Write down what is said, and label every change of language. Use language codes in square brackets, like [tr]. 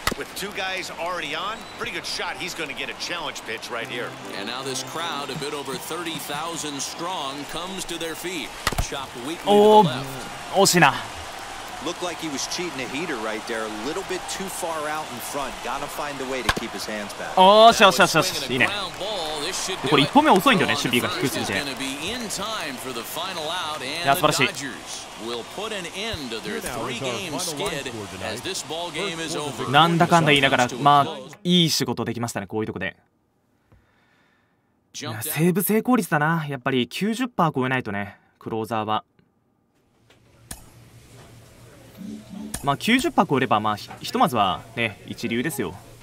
[en] With two guys already on, pretty good shot. He's going to get a challenge pitch right here. And now this crowd, a bit over 30,000 strong, comes to their feet. Chop weakly to the left. [ja] 惜しいな。 [en] Looked like he was cheating a heater right there. A little bit too far out in front. Got to find a way to keep his hands back. [ja] 惜しい惜しい惜しい。いいね。これ一歩目遅いんだよね、守備が低すぎて。いや、素晴らしい。 [en] Will put an end to their three-game skid as this ball game is over. [ja] なんだかんだ言いながら、まあいい仕事できましたね、こういうとこで。いや、セーブ成功率だな、やっぱり 90% 超えないとね、クローザーは。まあ 90% 超えれば、まあひとまずはね、一流ですよ。